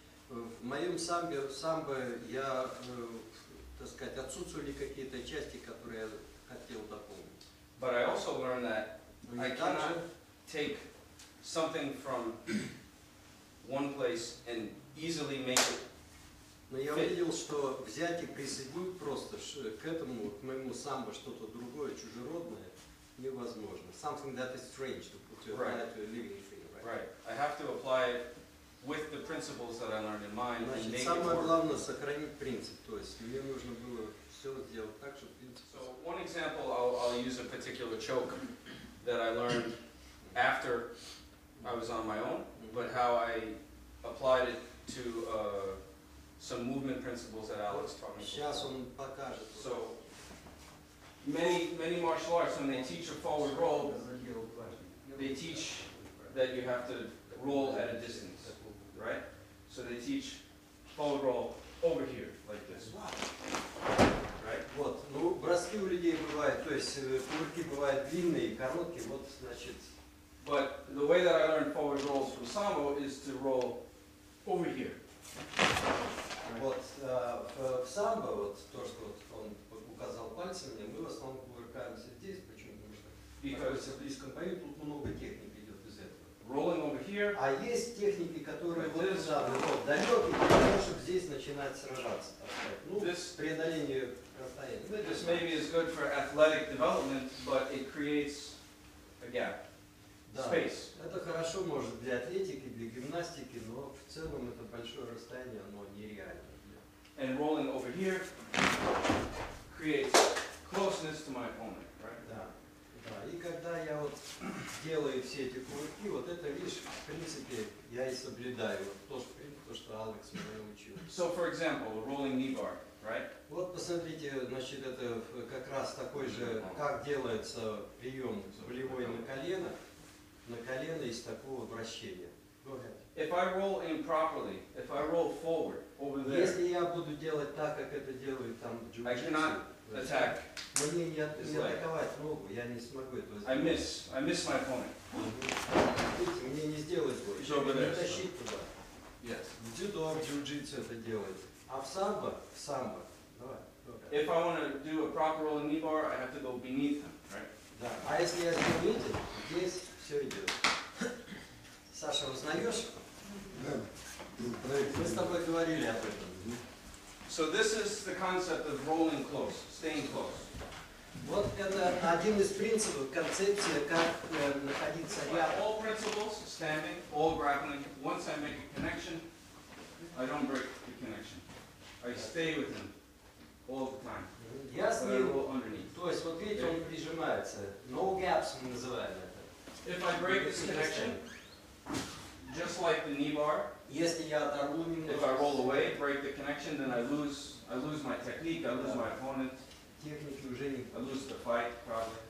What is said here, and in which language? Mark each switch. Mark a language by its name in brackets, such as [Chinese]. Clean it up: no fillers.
[Russian] В моем самбе, я, так сказать, отсутствовали какие-то части, которые я хотел дополнить. [English] But I also learned that I cannot take something from one place and easily make it. [Russian] Но я увидел, что взять и присоединить просто к этому, к моему самбо, что-то другое, чужеродное, невозможно. [English] Something that is strange to put to a living thing. Right. I have to apply it with the principles that I learned in mind. [Russian] Значит, самое главное – сохранить принцип. То есть мне нужно было все сделать так, чтобы принцип... [English] So, one example, I'll use a particular choke that I learned after I was on my own, but how I applied it to some movement principles that Alex taught me. [Russian] Сейчас он покажет. [English] So, many martial arts, when they teach a forward roll, they teach that you have to roll at a distance, right? So they teach forward roll over here, like this. Right? [Russian] Вот. Ну, броски у людей бывают, то есть кувырки бывают длинные, короткие, вот, значит. [English] But the way that I learned forward rolls from Sambo is to roll over here. [Russian] Вот, в самбо, вот то, что вот он указал пальцами, мы в основном кувыркаемся здесь, почему? Потому что [English] Because [Russian] в близком бою тут много техник идет из этого. [English] Rolling over here. [Russian] А есть техники, которые вот в самбо, вот, далекие, для того, чтобы здесь начинать сражаться, так сказать. Ну, [English] this, [Russian] преодоление расстояния. [English] This maybe is good for athletic development, but it creates a gap. [Russian] Да, [English] space. [Russian] Это хорошо может для атлетики, для гимнастики, но в целом это большое расстояние, оно нереально. [English] And rolling over here creates closeness to my opponent, right? [Russian] Да, да. И когда я вот делаю все эти кувырки, вот это, видишь, в принципе, я и соблюдаю то, что Алекс меня учил. [English] So, for example, rolling knee bar, right? [Russian] Вот посмотрите, значит, это как раз такой же, как делается прием болевой на колено. На колено из такого вращения. [English] If I roll improperly, if I roll forward over there, [Russian] если я буду делать так, как это делают там джиу-джитсу, [English] I cannot attack. [Russian] Мне не атаковать ногу, я не смогу этого сделать. [English] I miss my opponent. [Russian] Видите, мне не сделать больше. Не тащить туда. [English] Yes. [Russian] В дзюдо, в джиу-джитсу это делает. А в самбо, Давай. [English] If I want to do a proper rolling knee bar, I have to go beneath him, right? [Russian] Да. А если я сделаю это, здесь все идет. Саша, узнаешь? Мы с тобой говорили об этом. [English] So this is the concept of rolling close, staying close. [Russian] Вот это один из принципов, концепция, как находиться рядом. [English] All principles, standing, all grappling, once I make a connection, I don't break the connection. I stay with him all the time. [Russian] Я с ним, то есть вот видите, он прижимается. [English] No gaps [Russian] мы называем это. [English] If I break this connection, just like the knee bar, if I roll away, break the connection, then I lose my technique, I lose my opponent, I lose the fight, probably.